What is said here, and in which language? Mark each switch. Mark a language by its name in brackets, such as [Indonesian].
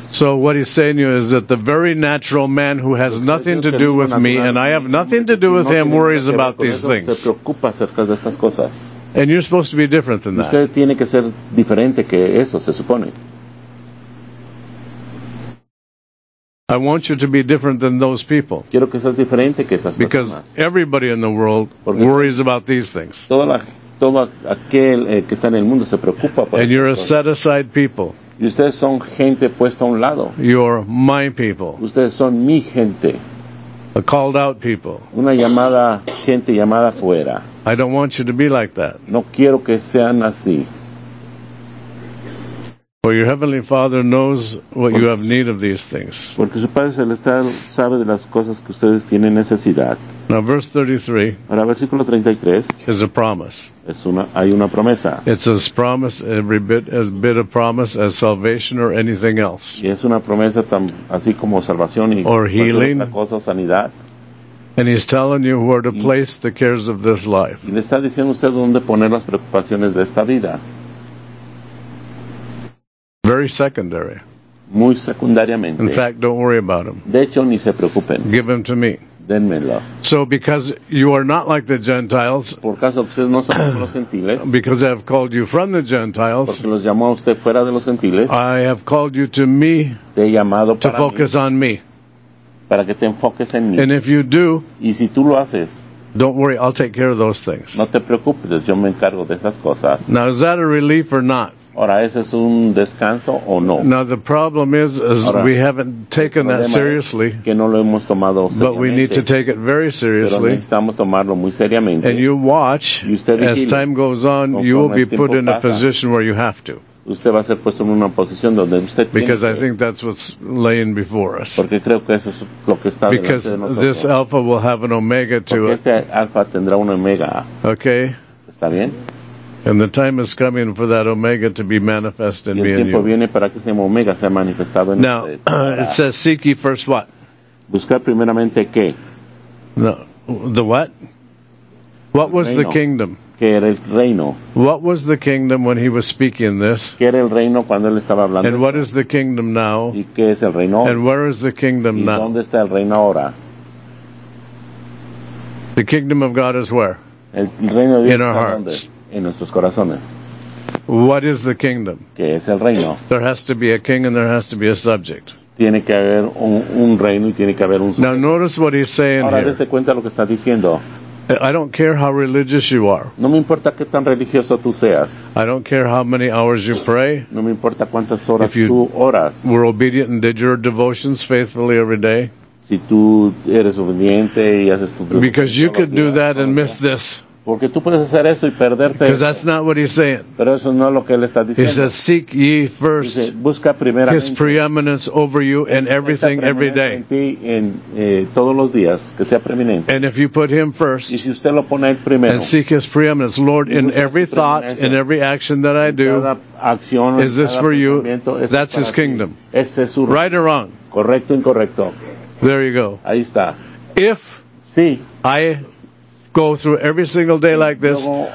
[English] So what he's saying to you is that the very natural man who has nothing to do with me and I have nothing to do with him worries about these things. [Spanish] Se preocupa acerca de estas cosas. [English] And you're supposed to be different than that. [Spanish] Usted tiene que ser diferente que eso, se supone. [English] I want you to be different than those people. [Spanish] Quiero que seas diferente que esas personas. [English] Because everybody in the world worries about these things. And you're a set aside people. [Spanish] Y ustedes son gente puesta a un lado. [English] You're my people. [Spanish] Ustedes son mi gente. [English] A called out people. [Spanish] Una llamada, gente llamada fuera. [English] I don't want you to be like that. [Spanish] No quiero que sean así. [English] For your heavenly Father knows what you have need of these things. [Spanish] Porque su Padre Celestial sabe de las cosas que ustedes tienen necesidad. [English] Now verse 33. [Spanish] Ahora versículo 33. [English] Is a promise. [Spanish] Hay una promesa. [English] It's a promise, every bit as bit of promise as salvation or anything else. [Spanish] Y es una promesa así como salvación y [English] or healing. [Spanish] Cosa, sanidad. [English] And he's telling you where to place the cares of this life. [Spanish] Y le está diciendo usted dónde poner las preocupaciones de esta vida. [English] Very secondary. [Spanish] Muy secundariamente. [English] In fact, don't worry about them. [Spanish] De hecho, ni se preocupen. [English] Give them to me. [Spanish] Dénmelo. [English] So because you are not like the Gentiles, [Spanish] por caso, ustedes no son como los gentiles, [English] because I have called you from the Gentiles, [Spanish] porque los llamó a usted fuera de los gentiles, [English] I have called you to me, [Spanish] te he llamado para [English] to focus [Spanish] mí, [English] on me. [Spanish] Para que te enfoques en mí. [English] And if you do, [Spanish] y si tú lo haces, [English] don't worry, I'll take care of those things. [Spanish] No te preocupes, yo me encargo de esas cosas. [English] Now is that a relief or not? [Spanish] Ahora, ¿eso es un descanso o no? [English] Now the problem is ahora, we haven't taken that seriously, [Spanish] que no lo hemos tomado seriamente, [English] but we need to take it very seriously. [Spanish] Pero necesitamos tomarlo muy seriamente. [English] And you watch, [Spanish] y usted vigile, [English] as time goes on, you will be put in [Spanish] pasa, [English] a position where you have to. [Spanish] Usted va a ser puesto en una posición donde usted tiene [English] because [Spanish] que, [English] I think that's what's laying before us. [Spanish] Porque creo que eso es lo que está [English] because [Spanish] delante de nosotros. [English] This alpha will have an omega to [Spanish] porque [English] it. [Spanish] Este alpha tendrá un omega. [English] Okay. [Spanish] ¿Está bien? [English] And the time is coming for that omega to be manifest in me and you. [Spanish] Viene para que ese omega sea manifestado en [English] now, [Spanish] usted. [English] It says seek ye first what? [Spanish] Buscar primeramente qué? [English] The what? What [Spanish] el [English] was [Spanish] reino. [English] The kingdom? [Spanish] ¿Qué era el reino? [English] What was the kingdom when he was speaking this? [Spanish] ¿Qué era el reino cuando él estaba hablando [English] and [Spanish] eso? [English] What is the kingdom now? [Spanish] ¿Y qué es el reino? [English] And where is the kingdom [Spanish] ¿y [English] now? [Spanish] ¿Dónde está el reino ahora? [English] The kingdom of God is where? [Spanish] El reino de Dios [English] in [Spanish] está [English] our hearts. [Spanish] Donde? En nuestros corazones. [English] What is the kingdom? [Spanish] ¿Qué es el reino? [English] There has to be a king and there has to be a subject. [Spanish] Tiene que haber un reino y tiene que haber un sujeto. [English] Now notice what he's saying [Spanish] ahora, [English] here. [Spanish] Ahora dése cuenta lo que está diciendo. [English] I don't care how religious you are. [Spanish] No me importa qué tan religioso tú seas. [English] I don't care how many hours you pray. [Spanish] No me importa cuántas horas [English] if you [Spanish] tú oras. [English] Were obedient and did your devotions faithfully every day. [Spanish] Si tú eres obediente y haces tu [English] because you could do that and miss this. [Spanish] Porque tú puedes hacer eso y perderte. [English] Because that's not what he's saying. [Spanish] Pero eso no es lo que él está diciendo. [English] He says, seek ye first. [Spanish] Dice, busca primeramente [English] his preeminence over you and everything every day. [Spanish] En ti, todos los días, que sea preeminente. [English] And if you put him first. [Spanish] Y si usted lo pone primero. [English] And seek his preeminence, Lord, in every thought, in every action that I do. [Spanish] Acción, [English] is this for you? That's [Spanish] para [English] his kingdom. [Spanish] Ese es su [English] right or wrong? [Spanish] Correcto, incorrecto. [English] There you go. [Spanish] Ahí está. [English] If [Spanish] sí. [English] I go through every single day like this.